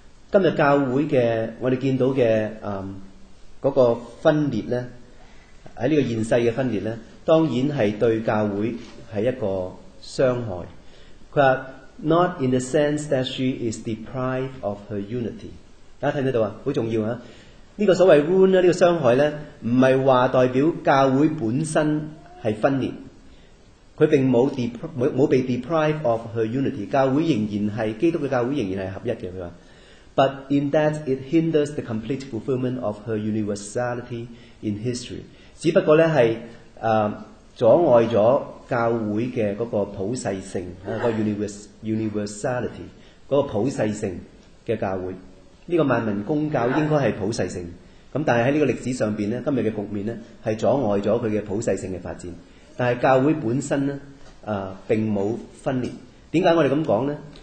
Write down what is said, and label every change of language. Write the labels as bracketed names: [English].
[Chinese] 今天教会的我们见到的那个分裂呢，在这个现世的分裂呢，当然是对教会是一个伤害。他说 [English] Not in the sense that she is deprived of her unity。 [Chinese] 大家看得到吗？很重要啊。这个所谓 wound， 这个伤害呢，不是说代表教会本身是分裂，它并没有被 [English] deprived of her unity， [Chinese] 教会仍然是基督的教会仍然是合一的。 [English] But in that it hinders the complete fulfillment of her universality in history。 [Chinese] 只不过呢是阻碍了教会的那个普世性，那个 universality， 那个普世性的教会，这个万民公教应该是普世性，但是在这个历史上面，今天的局面是阻碍了它的普世性的发展，但是教会本身并没有分裂。为什么我们这么说呢？